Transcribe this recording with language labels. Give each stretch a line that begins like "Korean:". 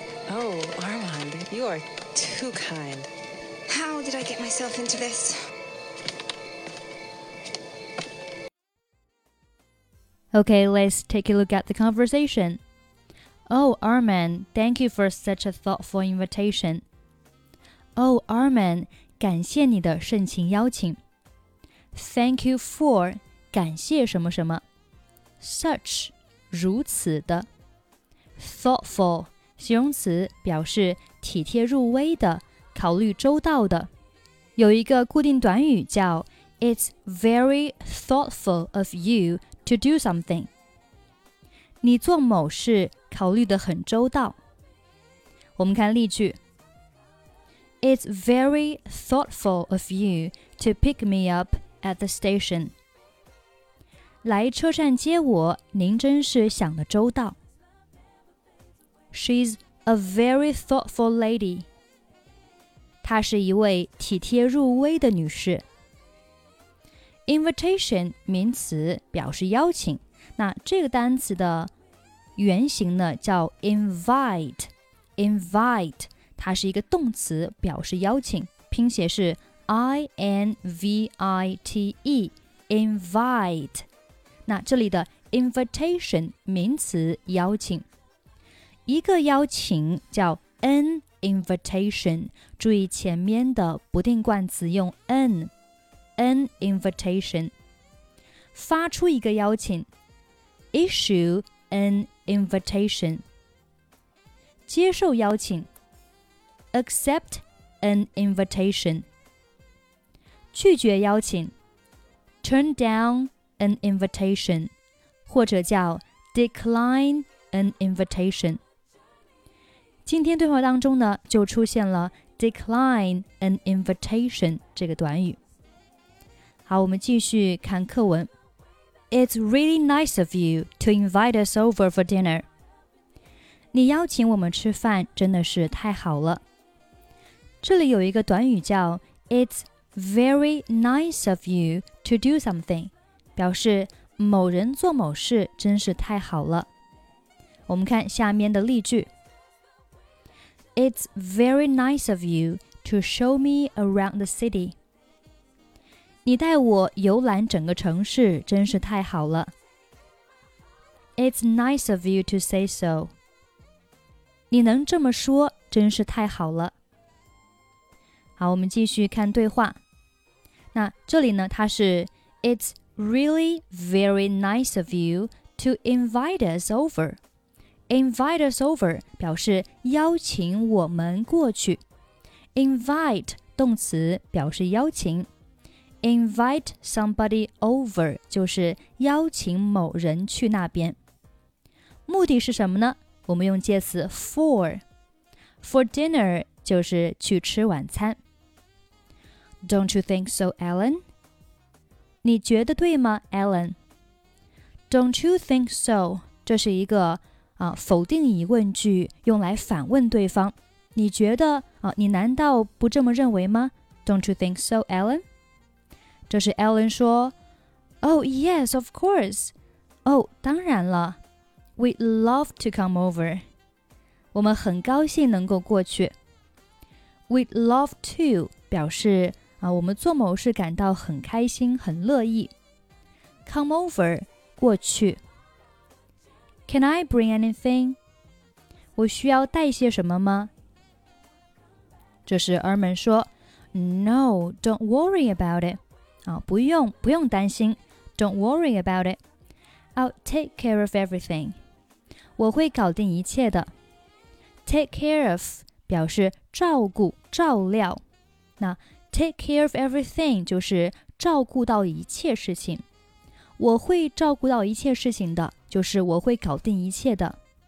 English: Oh, Armand, you are too kind. How did I get myself into this? Okay, let's take a look at the conversation. Oh, Armand, thank you for such a thoughtful invitation.
Chinese: Oh, Armand, 感谢你的盛情邀请。
English: Thank you for,
Chinese: 感谢什么什么。 Such, 如此的。 Thoughtful, 形容词表示体贴入微的，考虑周到的。有一个固定短语叫
English: It's very thoughtful of you to do something.
Chinese: 你做某事考虑得很周到。我们看例句。
English: It's very thoughtful of you to pick me up. At the station.
Chinese: 来车站接我，您真是想得周到。
English: She's a very thoughtful lady.
Chinese: 她是一位体贴入微的女士。Invitation 名词表示邀请，那这个单词的原型呢叫 invite. Invite 它是一个动词，表示邀请，拼写是I-N-V-I-T-E, invite. 那这里的 invitation, 名词邀请。一个邀请叫 an invitation, 注意前面的不定冠词用 an, an invitation. 发出一个邀请
English: issue an invitation.
Chinese: 接受邀请
English: accept an invitation.
Chinese: 拒绝邀请
English: turn down an invitation,
Chinese: 或者叫
English: decline an invitation.
Chinese: 今天对话当中呢就出现了
English: decline an invitation
Chinese: 这个短语。好，我们继续看课文。
English: It's really nice of you to invite us over for dinner.
Chinese: 你邀请我们吃饭真的是太好了。这里有一个短语叫
English: it'sVery nice of you to do something,
Chinese: 表示某人做某事真是太好了。我们看下面的例句。
English: It's very nice of you to show me around the city.
Chinese: 你带我游览整个城市真是太好了。
English: It's nice of you to say so.
Chinese: 你能这么说真是太好了。好，我们继续看对话。那这里呢它是
English: It's really very nice of you to invite us over. Invite us over
Chinese: 表示邀请我们过去。 Invite 动词表示邀请。
English: Invite somebody over
Chinese: 就是邀请某人去那边。目的是什么呢？我们用介词 for.
English: For dinner
Chinese: 就是去吃晚餐。
English: Don't you think so, Ellen?
Chinese: 你觉得对吗,
English: Ellen? Don't you think so?
Chinese: 这是一个、否定疑问句，用来反问对方。你觉得、你难道不这么认为吗？
English: Don't you think so, Ellen?
Chinese: 这是 Ellen 说
English: Oh, yes, of course. Oh,
Chinese: 当然了。
English: We'd love to come over.
Chinese: 我们很高兴能够过去。
English: We'd love to
Chinese: 表示、我们做某事感到很开心、很乐意。
English: Come over,
Chinese: 过去。
English: Can I bring anything?
Chinese: 我需要带些什么吗？这时儿门说
English: No, don't worry about it.、
Chinese: 不用，不用担心。
English: Don't worry about it. I'll take care of everything.
Chinese: 我会搞定一切的。
English: Take care of
Chinese: 表示照顾、照料。那
English: take care of everything
Chinese: 就是照顾到一切事情。我会照顾到一切事情的，就是我会搞定一切的。